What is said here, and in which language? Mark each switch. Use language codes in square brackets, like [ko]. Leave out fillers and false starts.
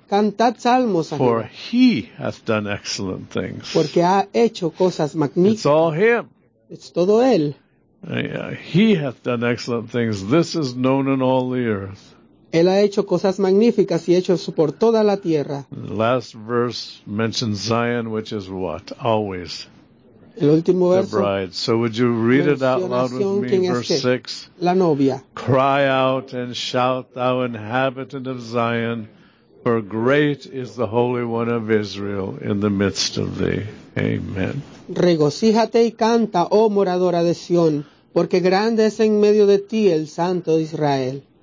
[es] Cantad salmos a Jehová. [en] For he hath done excellent things. [es] Porque ha hecho cosas magníficas. [en] It's all him. [es] Es todo él. [en] He hath done excellent things. This is known in all the earth. [es] Él ha hecho cosas magníficas y hecho eso por toda la tierra. [en] The last verse mentions Zion, which is what? Always. [es] El último verso, [en] the bride. So would you read it out loud with me, verse 6? [es] La novia. [en] Cry out and shout, thou inhabitant of Zion, for great is the Holy One of Israel in the midst of thee. Amen. [es] Regocíjate y canta, oh moradora de Sion, porque grande es en medio de ti el Santo de Israel.